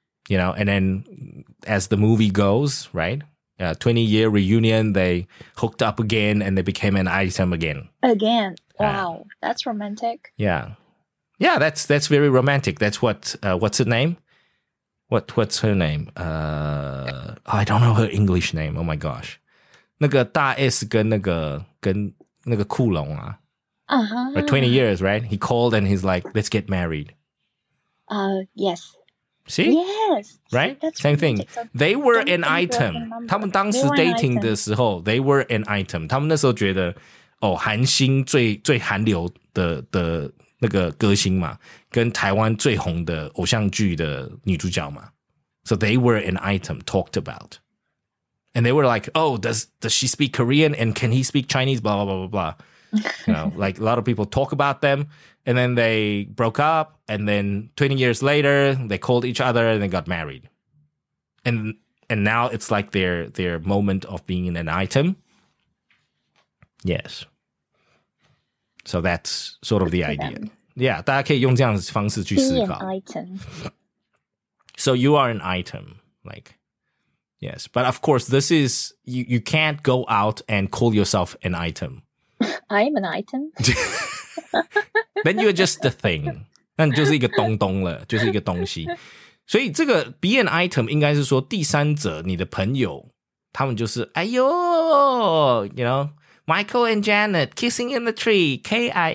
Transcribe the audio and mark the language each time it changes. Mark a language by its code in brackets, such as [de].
[en] You know, and then as the movie goes, right? 20-year reunion, they hooked up again and they became an item again. Again. Wow. That's romantic. Yeah. Yeah, that's very romantic. That's what's her name? What's her name? I don't know her English name. Oh my gosh. [zh] 那个大S跟那个窟窿啊. [en] Uh-huh. 20 years, right? He called and he's like, let's get married. Yes. See? Yes. Right? That's same thing. They were an item. [zh] 他们当时dating的时候, [en] they were an item. [zh] 他们那时候觉得, 韩星最韩流的那个歌星嘛, 跟台湾最红的偶像剧的女主角嘛. [en] So they were an item talked about. And they were like, oh, does she speak Korean? And can he speak Chinese? Blah, blah, blah, blah, blah. You know, like a lot of people talk about them. And then they broke up, and then 20 years later, they called each other and they got married. And now it's like their moment of being an item. Yes. So that's sort of the idea. [zh] Yeah, 大家可以用这样的方式去思考. [en] Being an item. So you are an item, like, yes. But of course, this is, you can't go out and call yourself an item. I am an item. Then you're just a thing. [zh] 那你就是一个东东了，就是一个东西。所以这个 [en] be an item [zh] 应该是说第三者，你的朋友，他们就是哎呦， [en] you know Michael and Janet kissing in the tree, kissing.